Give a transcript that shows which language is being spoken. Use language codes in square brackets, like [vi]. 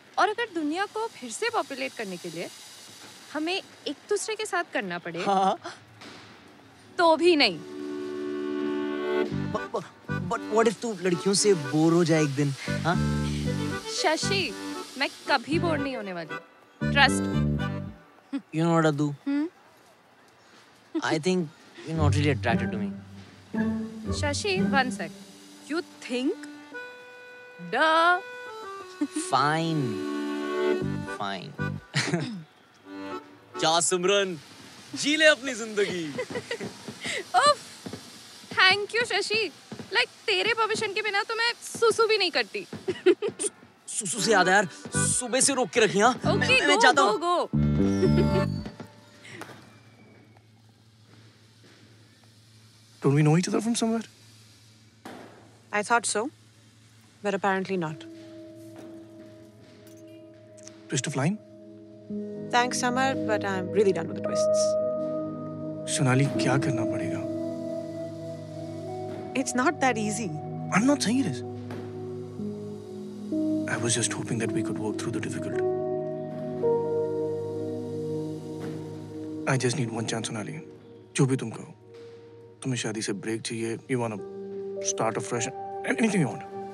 [hi] और अगर दुनिया को फिर से पॉपुलेट करने के लिए हमें एक दूसरे के साथ करना पड़े, हाँ? तो भी नहीं। [en] But what if [hi] तू लड़कियों से बोर हो जाए एक दिन, हाँ? शशि, मैं कभी बोर नहीं होने वाली, [en] trust me. You know what, Adu? I think you're not really attracted to me. Shashi, one sec. You think? Fine. [hi] जा सुमरन, जी ले अपनी ज़िंदगी. [en] Oh, thank you, Shashi. [hi] Like, तेरे परमिशन के बिना तो मैं सुसु भी नहीं करती। सुसु से याद है यार, सुबह से रोक के रखी हाँ। Okay, मैं जाता हूँ। [en] Go. Don't we know each other from somewhere? I thought so, but apparently not. Twist of line? Thanks, Samar, but I'm really done with the twists. [hi] Sonali, क्या करना पड़ेगा? [en] It's not that easy. I'm not saying it is. I was just hoping that we could work through the difficult. I just need one chance, Sonali. [hi] Jo bhi tum kaho. Tumhe shaadi se break chahiye, [en] you want to start afresh, anything you want.